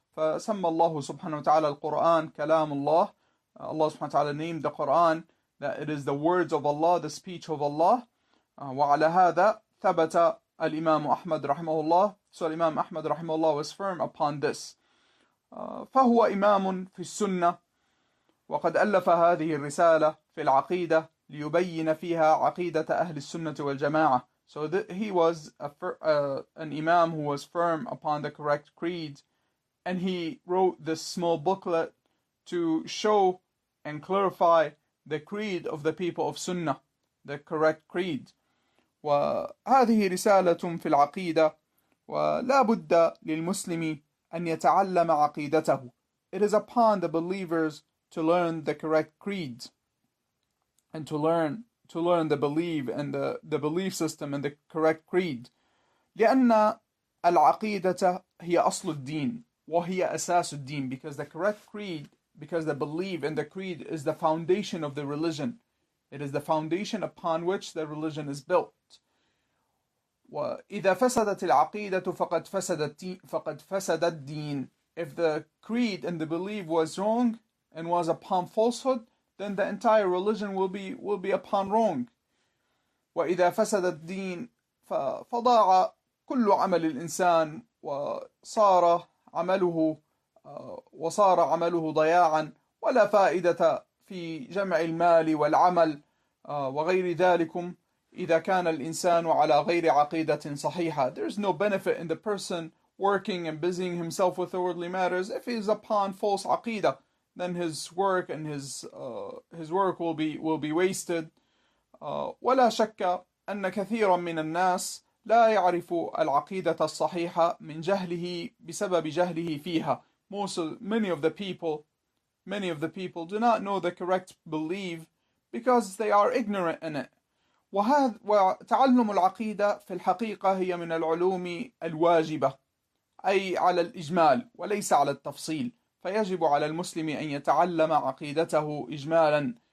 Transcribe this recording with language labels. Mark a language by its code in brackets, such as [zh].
[ar] فَسَمَّ اللَّهُ سُبْحَانَهُ وَتَعَالَى الْقُرْآنَ كَلَامَ اللَّهِ. [en] Allah subhanahu wa ta'ala named the Quran that it is the words of Allah, the speech of Allah. [ar] وَعَلَى هَذَا ثَبَتَ الْإِمَامُ أَحْمَدُ رَحِمَهُ اللَّهُ. [en] So Imam Ahmad rahimahullah was firm upon this. [ar] فَهُوَ إِمَامٌ فِي السُّنَّةِ وقد ألف هذه الرسالة في العقيدة ليبين فيها عقيدة أهل السنة والجماعة. [en] So he was an imam who was firm upon the correct creed, and he wrote this small booklet to show and clarify the creed of the people of Sunnah, the correct creed. [ar] وهذه رسالة في العقيدة ولا بد للمسلم أن يتعلم عقيدته. [en] It is upon the believers to learn the correct creed and to learn the belief and the belief system and the correct creed. [ar] لأن العقيدة هي أصل الدين وهي أساس الدين. [en] Because the correct creed, because the belief and the creed is the foundation of the religion. It is the foundation upon which the religion is built. [ar] وإذا فسدت العقيدة فقد فسد الدين. [en] If the creed and the belief was wrong and was upon falsehood, then the entire religion will be upon wrong. [ar] وَإِذَا فَسَدَ الدِّينَ فَضَاعَ كل عمل الإنسان وصار عمله وصار عمله ضياعا، ولا فائدة في جمع المال والعمل وغير ذلك إذا كان الإنسان على غير عقيدة صحيحة. [en] There is no benefit in the person working and busying himself with worldly matters if he is upon false aqidah. Then his work and his work will be wasted. [ar] ولا شك أن كثيرا من الناس لا يعرف العقيدة الصحيحة من جهله بسبب جهله فيها. [en] Many of the people do not know the correct belief because they are ignorant in it. [ar] وتعلم العقيدة في الحقيقة هي من العلوم الواجبة، أي على الإجمال وليس على التفصيل. فيجب على المسلم أن يتعلم عقيدته إجمالا.